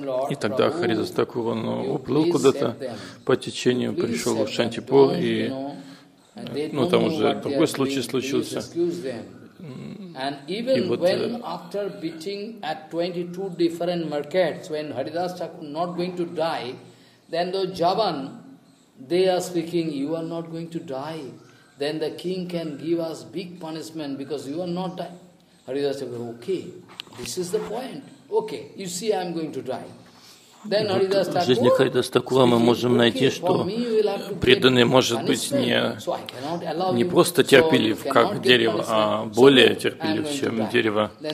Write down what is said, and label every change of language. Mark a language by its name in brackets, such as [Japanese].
[Russian] И тогда Харидас Такур, он уплыл куда-то по течению, пришел в Шантипур, и, ну, там уже другой случай случился. [English] And even [Russian] и вот, [English] when after beating at 22 different markets, when Haridas Thakur not going to die, then the Javan, they are speaking, you are not going to die. Then the king can give us big punishment because you are not die. Haridas Thakur, okay, this is the point. Okay, you see, I am going to die. [Russian] Then Haridas Thakur, в жизни Харидас Такура мы можем найти, что преданный может быть не просто терпелив, как дерево, а более терпелив, чем дерево.